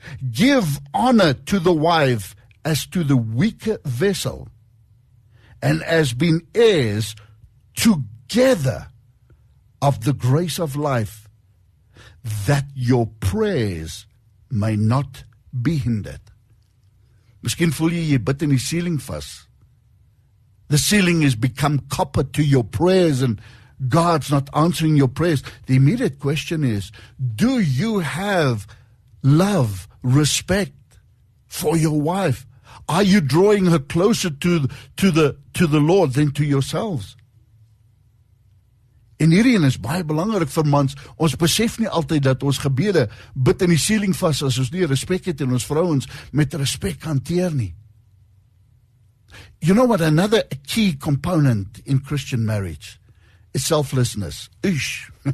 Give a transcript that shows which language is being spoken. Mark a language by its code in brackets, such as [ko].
[en] Give honor to the wife as to the weaker vessel, and as being heirs together of the grace of life, that your prayers may not be hindered. [af] Miskien voel jy jy bid in die ceiling vas. [en] The ceiling has become copper to your prayers and God's not answering your prayers. The immediate question is, do you have love, respect for your wife? Are you drawing her closer to the Lord than to yourselves? [af] En hierin is baie belangrik vir mans, ons besef nie altyd dat ons gebede bid in die ceiling vas as ons nie respect het en ons vrouens met respect hanteer nie. [en] You know what, another key component in Christian marriage is selflessness. Ish.